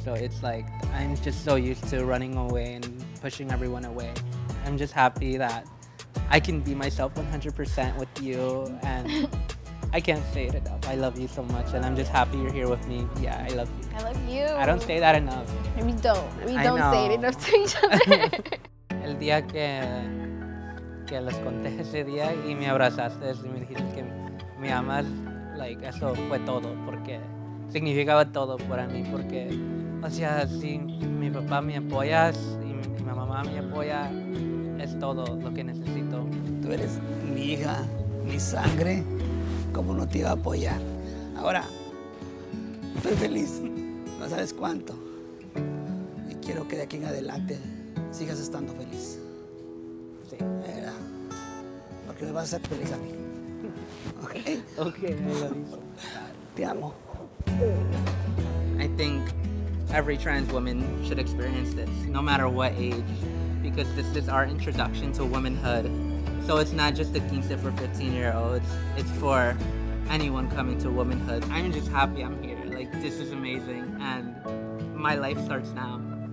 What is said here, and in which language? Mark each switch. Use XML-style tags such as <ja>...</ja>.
<en>So it's like, I'm just so used to running away and pushing everyone away. I'm just happy that I can be myself 100% with you and I can't say it enough. I love you so much, and I'm just happy you're here with me. Yeah, I love you. I love you. I don't say that enough. We don't. We don't say it enough to each other.</en> <es>El día que les conté ese día y me abrazaste y me dijiste que me amas, like, eso fue todo, porque significaba todo para mí, porque, o sea, si mi papá me apoya y mi mamá me apoya, es todo lo que necesito. Tú eres mi hija, mi sangre. Cómo no te iba a apoyar. Ahora, estoy feliz, no sabes cuánto. Y quiero que de aquí en adelante sigas estando feliz. Sí. Era. Porque me vas a hacer feliz a mí. ¿Ok? Ok, te amo.</es> <en>I think every trans woman should experience this, no matter what age, because this is our introduction to womanhood. So it's not just a quince for 15-year-olds, it's for anyone coming to womanhood. I'm just happy I'm here. Like, this is amazing, and my life starts now.</en>